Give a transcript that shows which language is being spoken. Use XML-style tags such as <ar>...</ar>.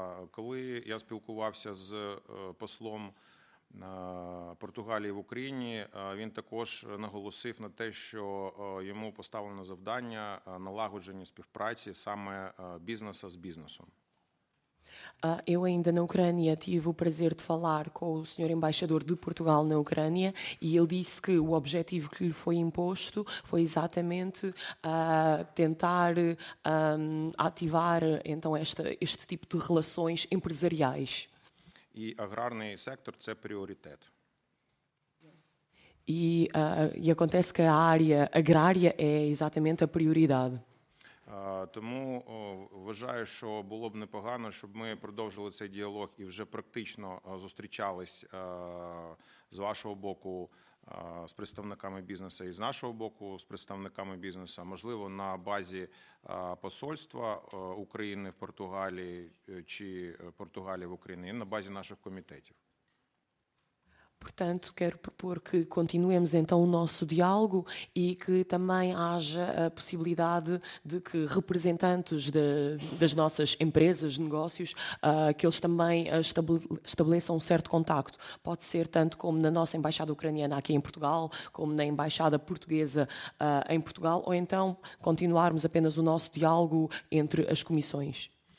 <uk>Коли я спілкувався з послом Португалії в Україні, він також наголосив на те, що йому поставлено завдання налагодження співпраці саме бізнесу з бізнесом.</uk> <pt>Eu ainda na Ucrânia tive o prazer de falar com o senhor embaixador de Portugal na Ucrânia e ele disse que o objetivo que lhe foi imposto foi exatamente tentar ativar então este tipo de relações empresariais.</pt> <uk>E agrarni sektor це пріоритет.</uk> <pt>E acontece que a área agrária é exatamente a prioridade.</pt> <uk>Тому вважаю, що було б непогано, щоб ми продовжили цей діалог і вже практично зустрічались з вашого боку з представниками бізнесу і з нашого боку з представниками бізнесу, можливо, на базі посольства України в Португалії чи Португалії в Україні, на базі наших комітетів.</uk> <pt>Portanto, quero propor que continuemos então o nosso diálogo e que também haja a possibilidade de que representantes das nossas empresas, negócios, que eles também estabeleçam um certo contacto. Pode ser tanto como na nossa embaixada ucraniana aqui em Portugal, como na embaixada portuguesa em Portugal, ou então continuarmos apenas o nosso diálogo entre as comissões.</pt>